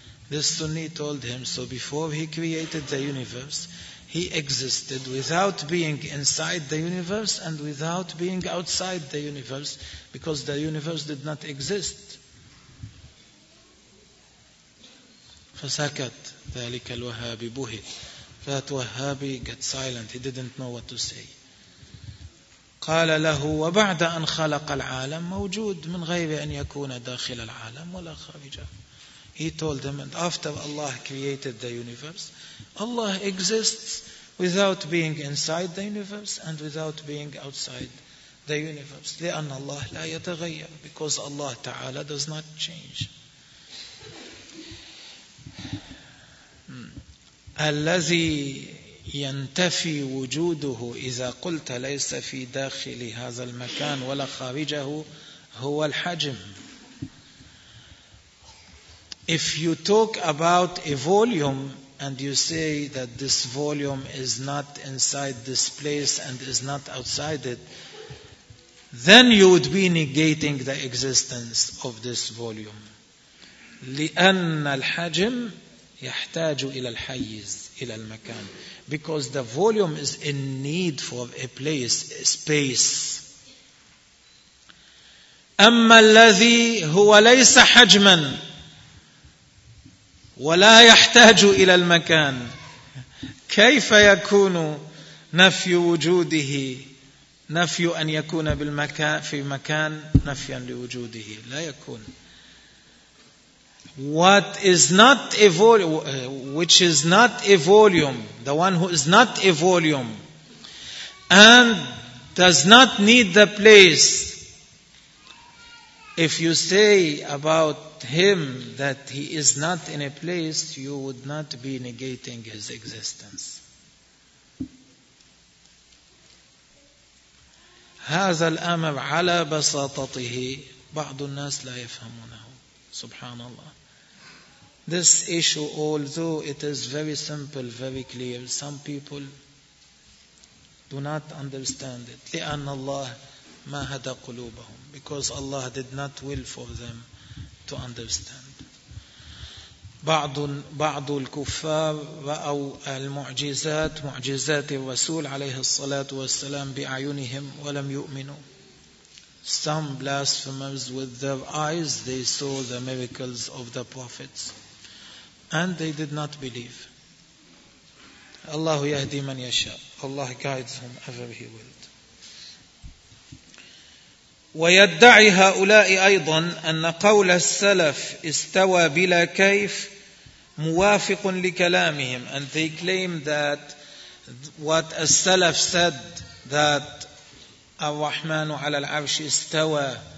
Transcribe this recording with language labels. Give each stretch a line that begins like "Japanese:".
English: This Sunni told him, so before he created the universe, he existed without being inside the universe and without being outside the universe because the universe did not exist.
Arabic: فسكت ذلك الوهابي بوهت.
English: That Wahhabi got silent. He didn't know what to say.
Arabic: قال له وبعد أن خلق العالم موجود من غير أن يكون داخل العالم ولا خارجه.
English: He told him, and after Allah created the universe, Allah exists without being inside the universe and without being outside the universe.
Arabic: لأن الله لا يتغير,
English: because Allah Ta'ala does not change.
Arabic: الذي ينتفي وجوده إذا قلت ليس في داخل هذا المكان ولا خارجه هو الحجم.
English: If you talk about a volume and you say that this volume is not inside this place and is not outside it, then you would be negating the existence of this volume.
Arabic: لِأَنَّ الْحَجِمْ يَحْتَاجُ إِلَى الْحَيِّزْ إِلَى الْمَكَانِ.
English: Because the volume is in need for a place, a space.
Arabic: أَمَّا الَّذِي هُوَ لَيْسَ حَجْمًا ولا يحتاج إلى المكان كيف يكون نفي وجوده نفي أن يكون بالمكان في مكان نفيا لوجوده لا يكون.
English: What is not a volume, which is not a volume, the one who is not a volume and does not need the place, if you say about him that he is not in a place, you would not be negating his existence.
Arabic: هذا الأمر على بساطته بعض الناس لا يفهمونه. سبحان الله.
English: This issue, although it is very simple, very clear, some people do not understand it.
Arabic: لأن الله ما هدى قلوبهم.
English: Because Allah did not will for them to understand.
Arabic: بعض الكفار رأوا المعجزات معجزات الرسول عليه الصلاة والسلام بأعينهم ولم يؤمنوا.
English: Some blasphemers with their eyes they saw the miracles of the prophets and they did not believe.
Arabic: الله يهدي من يشاء.
English: Allah guides whomever he will.
Arabic: ويدعي هؤلاء أيضا أن قول السلف استوى بلا كيف موافق لكلامهم.
English: And they claim that what a salaf said that
Arabic: الرحمن على العرش استوى,